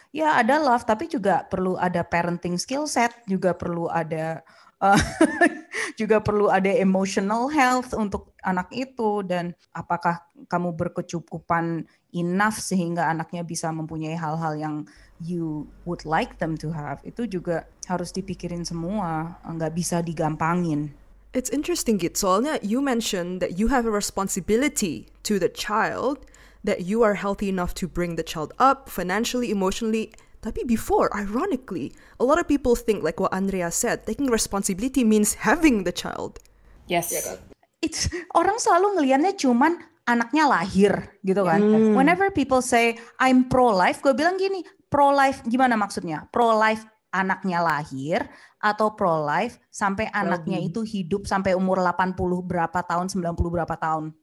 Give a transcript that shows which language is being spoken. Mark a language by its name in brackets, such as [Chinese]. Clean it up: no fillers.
[Indonesian] Ya ada love, tapi juga perlu ada [English] parenting skill set, [Indonesian] juga perlu ada juga perlu ada [English] emotional health [Indonesian] untuk anak itu, dan apakah kamu berkecukupan enough sehingga anaknya bisa mempunyai hal-hal yang [English] you would like them to have, [Indonesian] itu juga harus dipikirin semua, nggak bisa digampangin. [English] It's interesting, Git, [Indonesian] soalnya [English] you mentioned that you have a responsibility to the child, that you are healthy enough to bring the child up financially, emotionally. [Indonesian] Tapi [English] before, ironically, a lot of people think, like what Andrea said, taking responsibility means having the child. Yes. It's, [Indonesian] orang selalu ngeliatnya cuman anaknya lahir, gitu kan. [English] Whenever people say, I'm pro-life, [Indonesian] gue bilang gini, pro-life gimana maksudnya? Pro-life anaknya lahir, atau pro-life sampai anaknya itu hidup sampai umur 80 berapa tahun, 90 berapa tahun?